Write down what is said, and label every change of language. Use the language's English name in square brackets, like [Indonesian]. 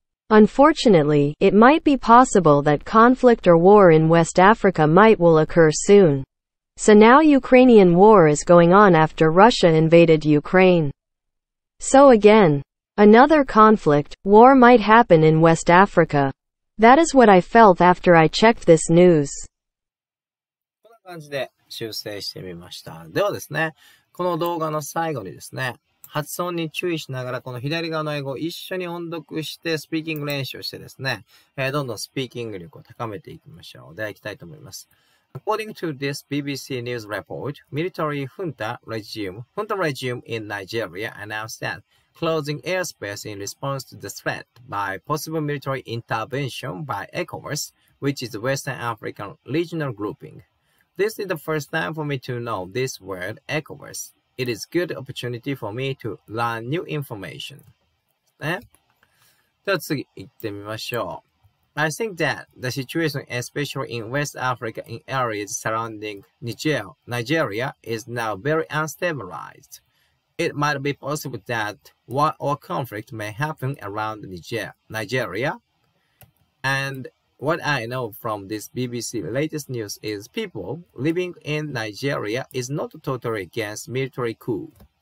[English] Unfortunately, it might be possible that conflict or war in West Africa might will occur soon. So now Ukrainian war is going on after Russia invaded Ukraine. So again, another conflict, war might happen in West Africa. That is what I felt after I checked this news. [Japanese] こんな感じで修正してみました。ではですね、この動画の最後にですね、発音に注意しながらこの左側の英語を一緒に音読してスピーキング練習をしてですね、どんどんスピーキング力を高めていきましょう。ではいきたいと思います。 [English] According to this BBC news report, military junta regime in Nigeria announced that closing airspace in response to the threat by possible military intervention by ECOWAS, which is the Western African regional grouping. This is the first time for me to know this word, ECOWAS. It is a good opportunity for me to learn new information. [Japanese] では次行ってみましょう。 [English] I think that the situation, especially in West Africa, in areas surrounding Nigeria, is now very unstabilized. It might be possible that war or conflict may happen around Nigeria. And what I know from this BBC latest news is people living in Nigeria is not totally against military coup.